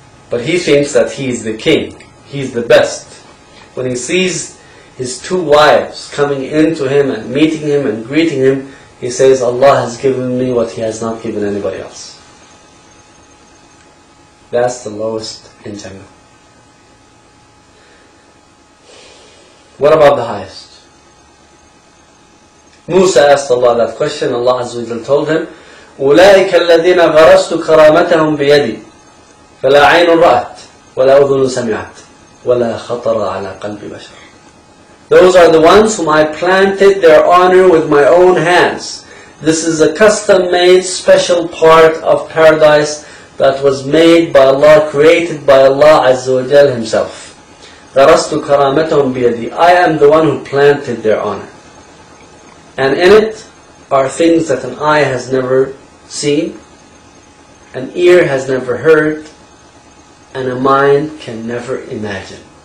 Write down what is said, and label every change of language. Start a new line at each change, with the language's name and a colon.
English: But he thinks that he is the king. He is the best. When he sees his two wives coming into him and meeting him and greeting him, he says, Allah has given me what he has not given anybody else. That's the lowest in Jannah. What about the highest? Musa asked Allah that question. Allah Azza wa Jalla told him,
Arabic: أُولَٰئِكَ الَّذِينَ غَرَسْتُ كَرَامَتَهُمْ بِيَدِي فَلَا عَيْنٌ رَأَتْ وَلَا أُذُنٌ سَمِعَتْ وَلَا خَطَرَ عَلَىٰ قَلْبِ بَشَرٍ.
English: Those are the ones whom I planted their honor with my own hands. This is a custom-made special part of paradise that was made by Allah, created by Allah Azza wa Jalla himself.
Arabic: غَرَسْتُ كَرَامَتَهُمْ بِيَدِي.
English: I am the one who planted their honor. And in it are things that an eye has never seen, an ear has never heard, and a mind can never imagine.